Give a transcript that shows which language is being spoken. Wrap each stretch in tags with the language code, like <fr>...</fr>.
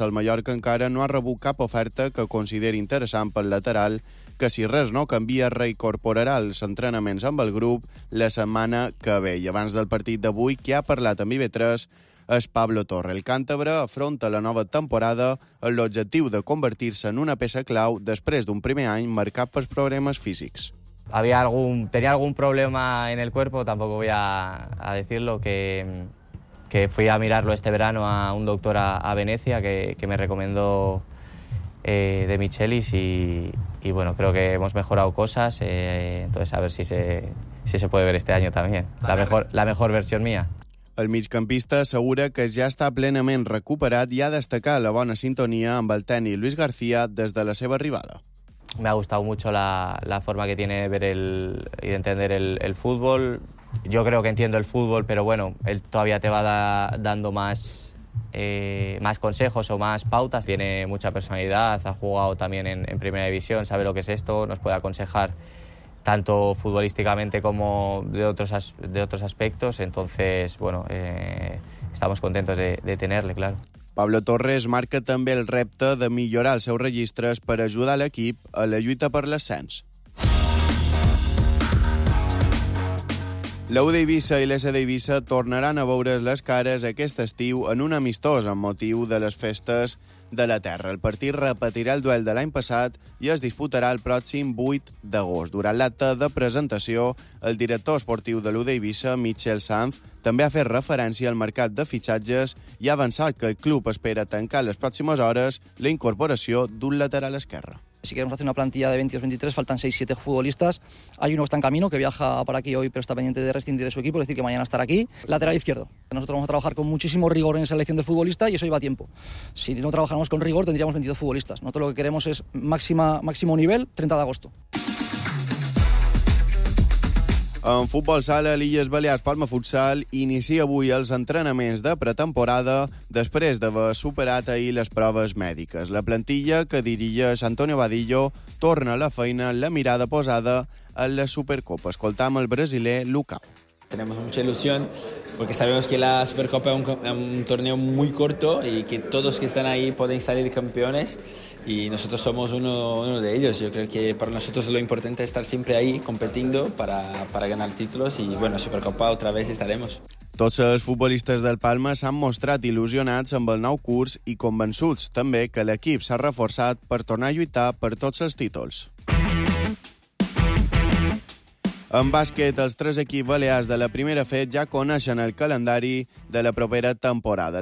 <ca>El Mallorca encara no ha rebut cap oferta que consideri interessant pel lateral, que si res no canvia, reincorporarà els entrenaments amb el grup la setmana que ve. I abans del partit d'avui, qui ha parlat amb IB3 és Pablo Torre. El càntabre afronta la nova temporada amb l'objectiu de convertir-se en una peça clau després d'un primer any marcat pels problemes físics.</ca> <es>Tenia algun problema en el cuerpo, tampoco voy a decirlo, que fui a mirarlo este verano a un doctor a Venecia que me recomendó de Michelis y bueno, creo que hemos mejorado cosas, entonces a ver si se puede ver este año también. La mejor versión mía.</es> <ca>El migcampista assegura que ja està plenament recuperat i ha destacat la bona sintonia amb el tècnic Luis García des de la seva arribada.</ca> <es>Me ha gustado mucho la forma que tiene de ver y de entender el fútbol. Yo creo que entiendo el fútbol, pero bueno, él todavía te va dando más consejos o más pautas. Tiene mucha personalidad, ha jugado también en primera división, sabe lo que es esto, nos puede aconsejar tanto futbolísticamente como de otros aspectos. Entonces, bueno, estamos contentos de tenerle, claro.</es> <ca>Pablo Torres marca també el repte de millorar els seus registres per ajudar l'equip a la lluita per l'ascens. La UD Eivissa i l'SD Eivissa tornaran a veure's les cares aquest estiu en un amistós amb motiu de les festes de la Terra. El partit repetirà el duel de l'any passat i es disputarà el pròxim 8 d'agost. Durant l'acte de presentació, el director esportiu de l'UD Eivissa, Michel Sanz, també ha fet referència al mercat de fitxatges i ha avançat que el club espera tancar les pròximes hores la incorporació d'un lateral esquerre.</ca> <es>Si queremos hacer una plantilla de 22-23, faltan 6-7 futbolistas. Hay uno que está en camino, que viaja para aquí hoy, pero está pendiente de rescindir de su equipo, es decir, que mañana estará aquí. Lateral izquierdo. Nosotros vamos a trabajar con muchísimo rigor en la selección del futbolista y eso lleva tiempo. Si no trabajamos con rigor, tendríamos 22 futbolistas. Nosotros lo que queremos es máximo nivel, 30 de agosto.</es> <ca>En futbol sala, l'Illes Balears Palma Futsal inicia avui els entrenaments de pretemporada després d'haver superat ahir les proves mèdiques. La plantilla que dirigeix Antonio Vadillo torna a la feina la mirada posada a la Supercopa. Escoltam el brasiler Luca.</ca> <es>Tenemos mucha ilusión porque sabemos que la Supercopa es un torneo muy corto y que todos que están ahí pueden salir campeones. Y nosotros somos uno de ellos. Yo creo que para nosotros lo importante es estar siempre ahí, competiendo para ganar títulos. Y bueno, Supercopa otra vez estaremos.</es> <ca>Tots els futbolistes del Palma s'han mostrat il·lusionats amb el nou curs i convençuts també que l'equip s'ha reforçat per tornar a lluitar per tots els títols. En bàsquet, els tres equips balears de la primera FED ja coneixen el calendari de la propera temporada.</ca>